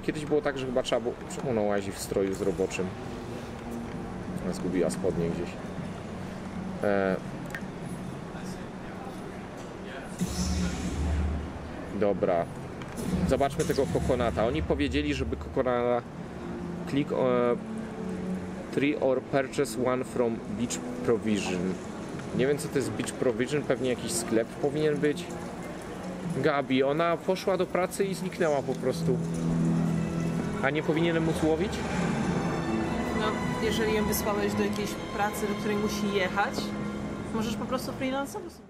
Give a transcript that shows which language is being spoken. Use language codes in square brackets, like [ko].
[pl] Kiedyś było tak, że chyba trzeba było... Czemu ona łazi w stroju z roboczym? Ona zgubiła spodnie gdzieś. Dobra. Zobaczmy tego kokonata. Oni powiedzieli, żeby kokonata... Klik... [en] 3 or purchase one from Beach Provision. [pl] Nie wiem, co to jest Beach Provision, pewnie jakiś sklep powinien być. Gabi, ona poszła do pracy i zniknęła po prostu. A nie powinienem móc łowić? No, jeżeli ją wysłałeś do jakiejś pracy, do której musi jechać, możesz po prostu freelancować sobie.